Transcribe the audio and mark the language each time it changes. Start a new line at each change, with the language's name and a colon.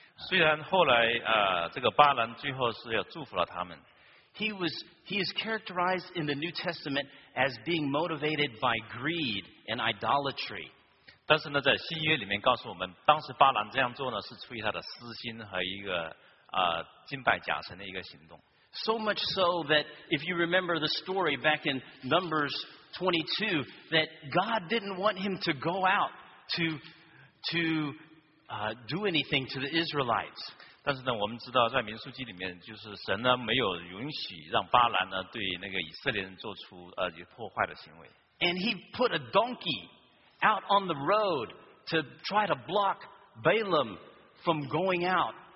Chinese: 虽然后来这个巴兰最后是要祝福了他们
English: he is characterized in the New Testament as being motivated by greed and idolatry.
Chinese: 但是呢，在新约里面告诉我们，当时巴兰这样做呢，是出于他的私心和一个敬拜假神的一个行动。
English: So much so that if you remember the story back in Numbers 22, that God didn't want him to go out to do anything to the Israelites.
Chinese: 但是呢，我们知道在民数记里面，就是神呢没有允许让巴兰呢对那个以色列人做出破坏的行为。
English: And he put a donkey out on the road to try to block Balaam from going out.